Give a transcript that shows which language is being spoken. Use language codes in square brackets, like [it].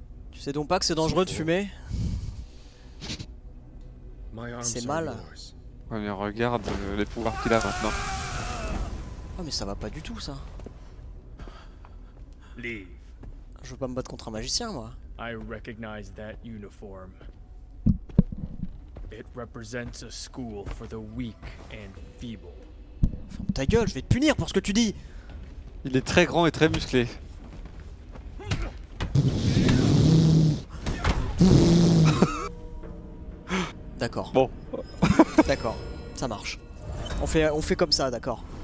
[fr] Tu sais donc pas que c'est dangereux de fumer? C'est mal. Ouais, mais regarde les pouvoirs qu'il a maintenant. Oh, mais ça va pas du tout, ça. Les... Je veux pas me battre contre un magicien, moi. [en] I recognize that uniform. It represents a school for the weak and feeble. [fr] Ferme ta gueule, je vais te punir pour ce que tu dis. Il est très grand et très musclé. D'accord. Bon. D'accord. Ça marche. On fait comme ça, d'accord.